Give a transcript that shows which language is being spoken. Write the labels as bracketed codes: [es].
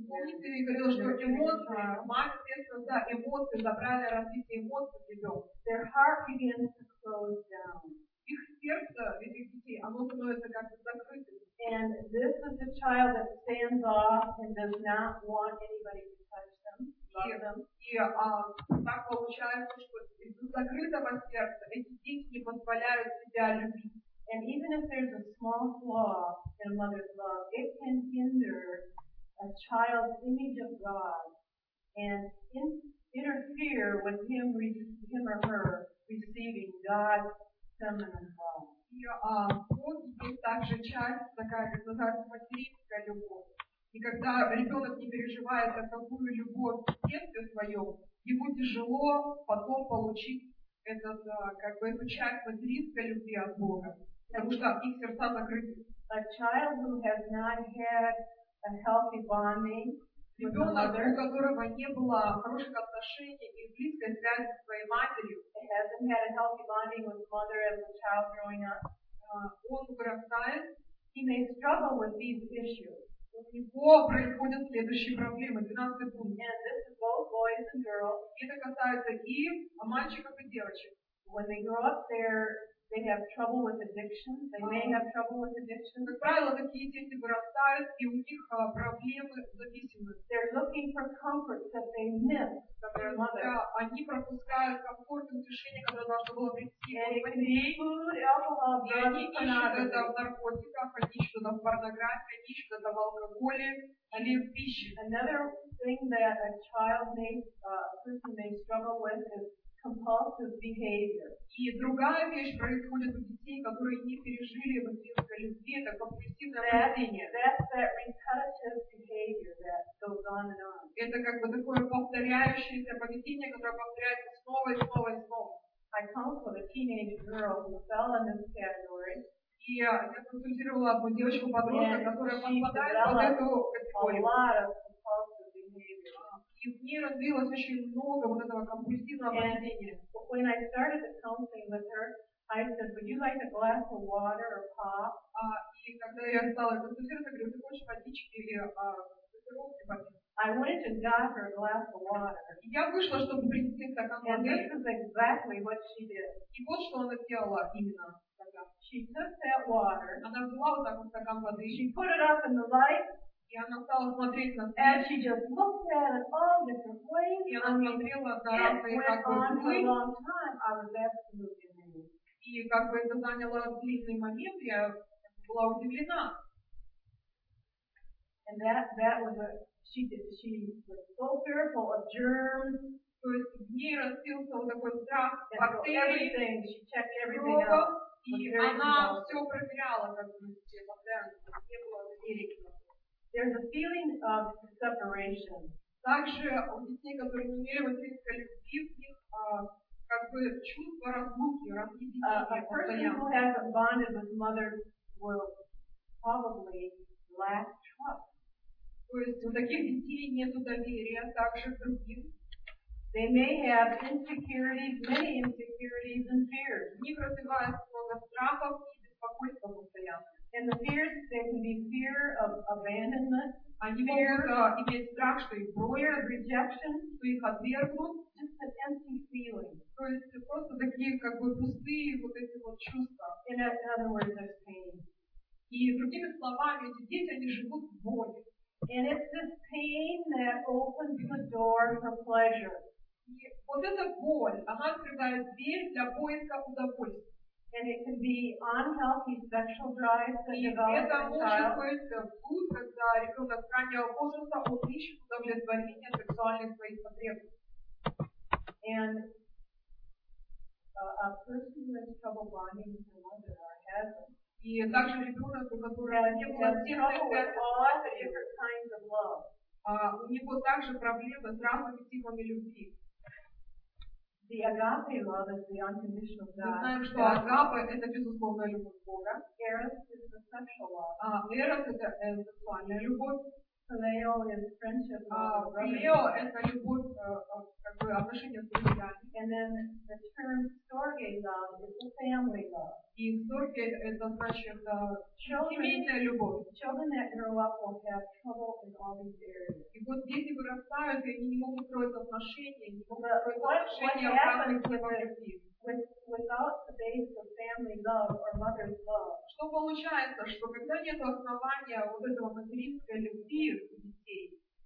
[ru] Помните, я говорила, что эмоции, мать, естественно, да, эмоции забрали развитие эмоций ребенка. [en] Their heart begins to close down. [ru] Их сердце, этих детей, оно становится как-то закрытым. [en] And this is a child that stands off and does not want anybody to touch them, love them. [ru] И так получается, что из-за закрытого сердца эти дети не позволяют себя любить. [en] And even if there's a small flaw in a mother's love, it can hinder a child's image of God and interfere with him or her receiving God's [ru] также часть такая, называется материнская любовь. И когда ребенок не переживает такую любовь в детстве своем, ему тяжело потом получить этот, как бы эту часть материнской любви от Бога, потому что их сердца закрыты. [en] A child who has not had a healthy bonding with another, [ru] ребенок, у которого не было хороших отношений и близкой связи со своей матерью, [en] hasn't had a healthy bonding with mother as a child growing up. [ru] Он вырастает, [en] he may struggle with these issues. [ru] У него происходят следующие проблемы. 12 пункт. [en] And this is both boys and girls. [ru] Это касается и мальчиков, и девочек. [en] When they grow up, they have trouble with addiction. They may have trouble with addiction. [ru] Как правило, такие дети вырастают, и у них проблемы с зависимостью. [en] They're looking for comfort that they missed from their mother. [ru] Они пропускают комфорт и утешение, которое должно было прийти и они ищут это в наркотиках, они ищут это в порнографии, они ищут это в алкоголе, или в пище. [en] Another thing that a child may, person may struggle with is compulsive behavior. [ru] И другая вещь происходит у детей, которые не пережили материнской любви, это компульсивное поведение. [en] That's repetitive behavior that goes on and on. [ru] Это как бы такое повторяющееся поведение, которое повторяется снова и снова и снова. [en] I counseled a teenage girl who fell in this category. [ru] И я консультировала одну девочку-подростка, которая попадает в эту категорию. [en] A lot of compulsive behavior. [ru] И в ней развилось очень много вот этого компульсивного поведения. [en] When I started the counseling with her, I said, would you like a glass of water or pop? [ru] И когда я стала консультироваться, говорю, ты хочешь водички или газировки попить? [en] I went and got her a glass of water. [ru] Я вышла, чтобы принести стакан воды. [en] And this is exactly what she did. [ru] И вот что она сделала именно. [en] She took that water. [ru] Она взяла вот такой стакан воды. [en] She put it up in the light. [ru] И она стала смотреть на свет. [en] And she just looked at it all different ways. [ru] И она смотрела на разные такой углы. [en] It went on for a long time. I was absolutely amazed. [ru] И как бы это заняло длинный момент, я была удивлена. [en] And that was a she was so fearful of germs. [ru] То есть в ней растился вот такой страх. [en] And бактерии, everything, she checked everything out. [ru] И она все проверяла, как бы, все постоянно. Не было доверия к ним. [en] There's a feeling of separation. [ru] Также у детей, которые не имели материнской любви, в них как бы чувство разлуки, разъединения. [en] A person who hasn't bonded with mother will probably lack trust. [ru] То есть у таких детей нет доверия также к другим. [en] They may have insecurities, many insecurities and fears. [ru] В них развивается много страхов и беспокойства постоянно. [en] And the fears, they can be fear of abandonment. [ru] Они могут иметь страх, что их [en] broyer of rejection, [ru] что их отвергнут. [en] Just an empty feeling. [ru] То есть просто такие как бы пустые вот эти вот чувства. [en] In other words, there's pain. [ru] И другими словами, эти дети, они живут в боли. [en] And it's this pain that opens the door for pleasure. [ru] И вот эта боль, она открывает дверь для поиска удовольствия. [en] And it can be unhealthy sexual drive that develops in the child. And it can be unhealthy sexual drive that develops in the child. And a person who has trouble bonding with their mother or has them. [ru] И также ребенок, у которого не было сильной связи, у него также проблемы с разными типами любви. [en] The agape love is the unconditional love. [ru] Мы знаем, что агапа — это безусловная любовь Бога. [en] Eros is the sexual love. [ru] Eros — это сексуальная любовь. [en] Phileo is friendship love. [ru] Phileo — это любовь, как бы отношения с друзьями. [en] And then the term storge love is the family love. [ru] И сторке это значит семейная любовь. [en] Children that grow up will have trouble in all these areas. [ru] И вот дети вырастают, и они не могут строить отношения, не могут строить отношения в разных типах любви. [en] Without the base of family love or mother's love. [ru] Что получается, что когда нет основания вот этого материнской любви у детей,